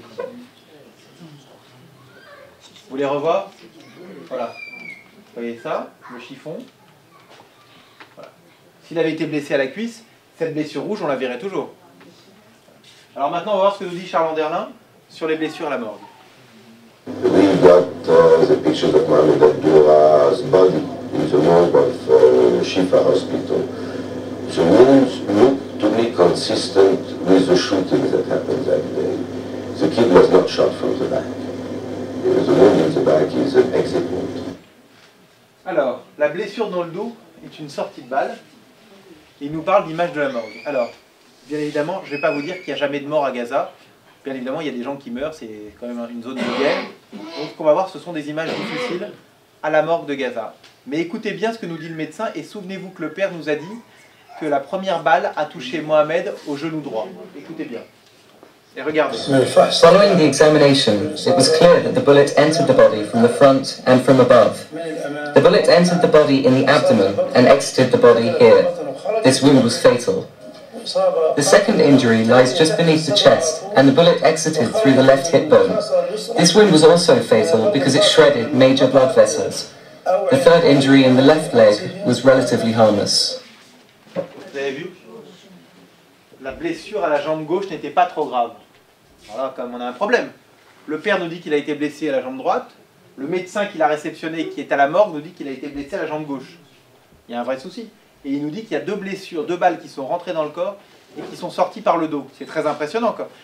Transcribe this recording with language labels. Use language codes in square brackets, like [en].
[fr] Vous voulez revoir ? Voilà. Vous voyez ça, le chiffon. S'il avait été blessé à la cuisse, cette blessure rouge, on la verrait toujours. Alors maintenant, on va voir ce que nous dit Charles Anderlin sur les blessures à la morgue. [en] We got the picture of Mohamed Abdoura's body in the morgue of Shifa Hospital. The wounds look to me consistent with the shooting that happened that day. The kid was not shot from the back. The wound in the back is an exit wound. [fr] Alors, la blessure dans le dos est une sortie de balle. Il nous parle d'image de la morgue. Alors, bien évidemment, je ne vais pas vous dire qu'il n'y a jamais de mort à Gaza. Bien évidemment, il y a des gens qui meurent, c'est quand même une zone de guerre. Donc, ce qu'on va voir, ce sont des images difficiles à la morgue de Gaza. Mais écoutez bien ce que nous dit le médecin et souvenez-vous que le père nous a dit que la première balle a touché Mohamed au genou droit. Écoutez bien. Et regardez. [en] Following the examination, it was clear that the bullet entered the body from the front and from above. The bullet entered the body in the abdomen and exited the body here. This wound was fatal. The second injury lies just beneath the chest, and the bullet exited through the left hip bone. This wound was also fatal because it shredded major blood vessels. The third injury in the left leg was relatively harmless. [fr] Vous avez vu ? La blessure à la jambe gauche n'était pas trop grave. Voilà, quand même, on a un problème. Le père nous dit qu'il a été blessé à la jambe droite. Le médecin qui l'a réceptionné et qui est à la morgue nous dit qu'il a été blessé à la jambe gauche. Il y a un vrai souci. Et il nous dit qu'il y a deux blessures, deux balles qui sont rentrées dans le corps et qui sont sorties par le dos. C'est très impressionnant, quoi.